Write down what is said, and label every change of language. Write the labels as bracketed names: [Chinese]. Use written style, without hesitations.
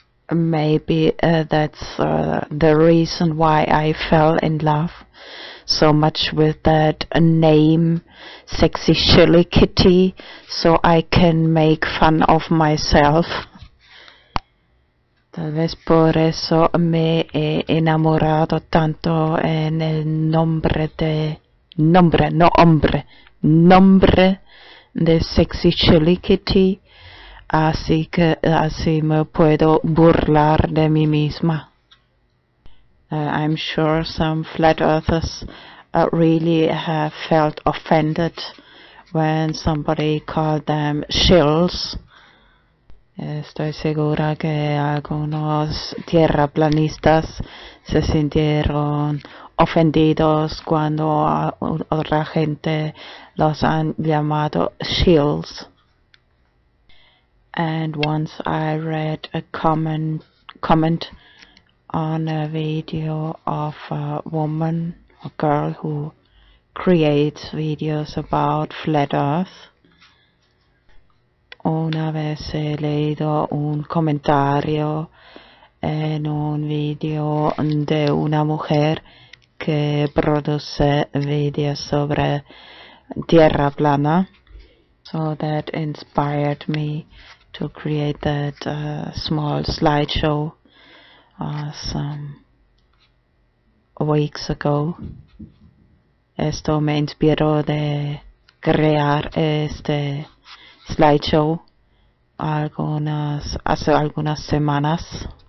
[English] Maybe that's the reason why I fell in love so much with that name, Sexy Shilly Kitty, so I can make fun of myself. [Spanish] Tal vez por eso me he enamorado tanto en el nombre de... Nombre, no hombre. Nombre de Sexy Shilly Kitty. Así que así me puedo burlar de mí misma. [English] I'm sure some flat earthers really have felt offended when somebody called them shills. [Spanish] Estoy segura que algunos tierraplanistas se sintieron ofendidos cuando otra gente los han llamado shills. [English] And once I read a comment on a video of a woman, a girl who creates videos about flat earth. [Spanish] Una vez he leído un comentario en un video de una mujer que produce videos sobre tierra plana. [English] So that inspired me to create that small slideshow some weeks ago. [Spanish] Esto me inspiró de crear este slideshow hace algunas semanas.